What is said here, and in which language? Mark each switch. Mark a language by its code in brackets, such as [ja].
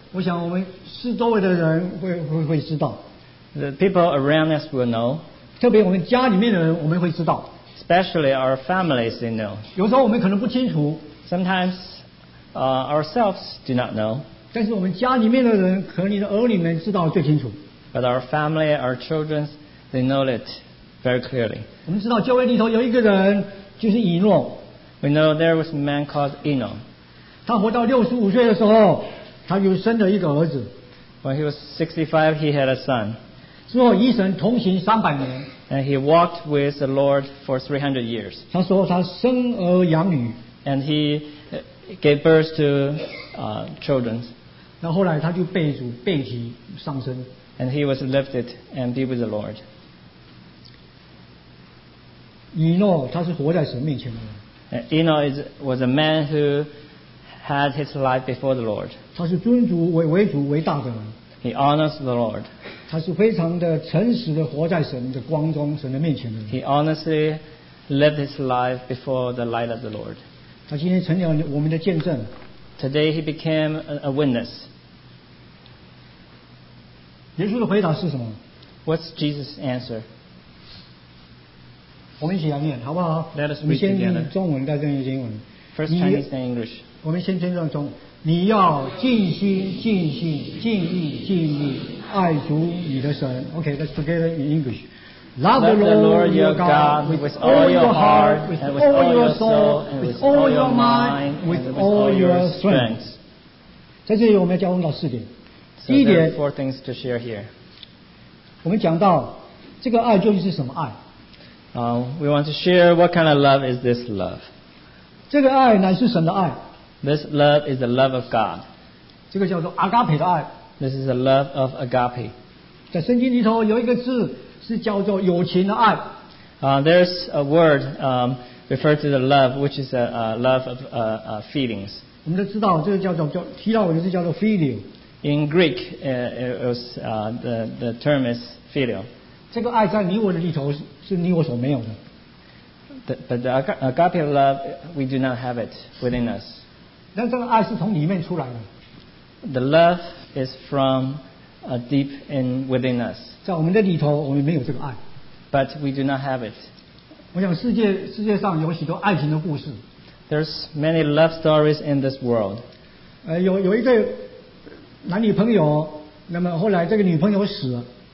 [zh] 我想我们四周围的人会知道。 [en] The people around us will know. [zh] 特别我们家里面的人我们会知道。 [en] Especially our families, they know. [zh] 有时候我们可能不清楚。 [en] Sometimes, ourselves do not know. [zh] 但是我们家里面的人，和你的儿女们知道最清楚。 [en] But our family, our children, they know it very clearly. [zh] 我们知道教会里头有一个人就是以诺。 [en] We know there was a man called Eno. [zh] 他活到65岁的时候，他就生了一个儿子。 [en] When he was 65, he had a son. [zh] 之后与神同行300年。 [en] And he walked with the Lord for 300 years. [zh] 他说他生儿养女。 [en] And he gave birth to children. [zh] 那后来他就被主被提上升。 [en] And he was lifted and be with the Lord. [zh] 以诺他是活在神面前的。 [en] And Eno was a man who had his life before the Lord. [zh] 他是尊主为主为大的人。 [en] He honors the Lord. [zh] 他是非常的诚实的活在神的光中，神的面前的人。 [en] He honestly lived his life before the light of the Lord. [zh] 他今天成了我们的见证。 [en] Today he became a witness. [zh] 耶稣的回答是什么？ [en] What's Jesus' answer? [zh] 我们一起来念，好不好？ [en] Let us read together. [zh] 我们先念中文，大家念英文。 [en] First Chinese, then English. [zh] 我们先听上中文。你要尽心、尽性、尽意、尽力爱主你的神。 [en] Okay, let's together in English. Love the Lord your God with all your heart, with all your soul, with all your mind, with all your strength. [zh] 在这里我们要交通到四点。第一点 [en] ，four things to share here. [zh] 我们讲到这个爱究竟是什么爱。 [en] We want to share what kind of love is this love. [zh] 这个爱乃是神的爱。 [en] This love is the love of God. [zh] 这个叫做 agape 的爱。 [en] This is the love of agape. [zh] 在圣经里头有一个字是叫做友情的爱。 [en] There's a word referred to the love, which is a love of feelings. [zh] 我们都知道这个叫提到的是叫做 philia. [en] In Greek, the term is philia. [zh] 这个爱在你我的里头是你我所没有的。 [en] But the agape love, we do not have it within us. [zh] 但这个爱是从里面出来的。 [en] The love is from a deep in within us. [zh] 在我们的里头，我们没有这个爱。 [en] But we do not have it. [zh] 我想世界上有许多爱情的故事。 [en] There's many love stories in this world. [zh] 有一对男女朋友，那么后来这个女朋友死了。